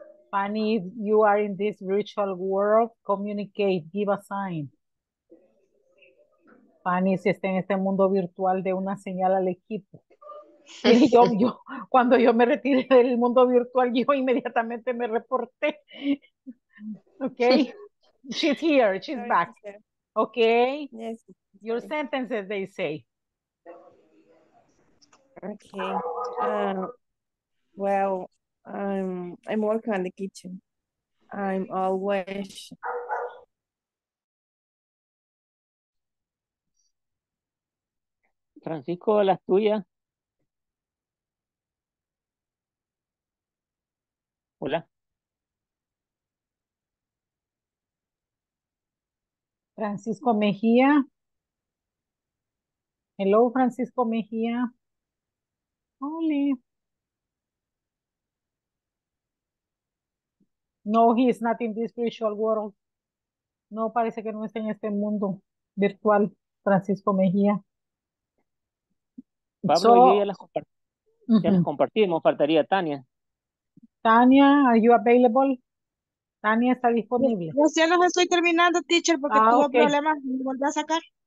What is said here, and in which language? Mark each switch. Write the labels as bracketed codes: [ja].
[en] Fanny, if you are in this virtual world, communicate, give a sign. [es] Fanny, si está en este mundo virtual, de una señal al equipo. Sí, yo cuando yo me retiré del mundo virtual, yo inmediatamente me reporté. [en] Okay, she's here, she's back. Okay. Yes. Your sentences, they say. Okay. Well, I'm working on the kitchen. I'm always. [es] Francisco, las tuyas. Hola. Francisco Mejía. [en] Hello, Francisco Mejía. Hola. No, he is not in this virtual world. [es] No, parece que no está en este mundo virtual, Francisco Mejía. Pablo, so, yo ya las compartimos, faltaría Tania. [en] Tania, are you available? [es] Tania está disponible. Yo ya los estoy terminando, teacher, porque tuvo problemas y me volví a sacar.